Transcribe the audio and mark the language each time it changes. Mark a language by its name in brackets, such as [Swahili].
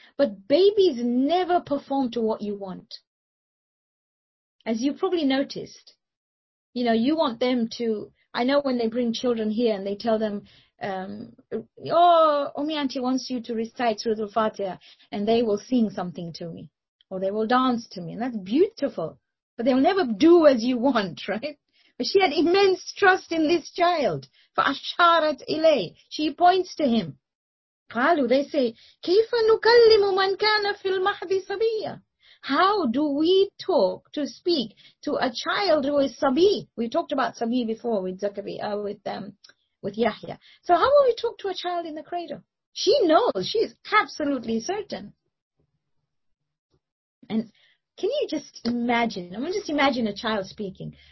[English] But babies never perform to what you want. As you probably noticed, you know, you want them to, I know when they bring children here and they tell them, oh, my auntie wants you to recite Surah Al-Fatiha, and they will sing something to me or they will dance to me. And that's beautiful, but they'll never do as you want, right? But she had immense trust in this child. [Arabic] فَأَشَارَتْ إِلَيْهِ. [English] She points to him. [Arabic] قَالُوا, [English] they say, [Arabic] كَيْفَ نُكَلِّمُ مَنْ كَانَ فِي الْمَحْدِ سَبِيًّا. [English] How do we talk to speak to a child who is Sabi? We talked about Sabi before with Zakaria, with Yahya. So how will we talk to a child in the cradle? She knows. She is absolutely certain. And can you just imagine? I'm going to just imagine a child speaking.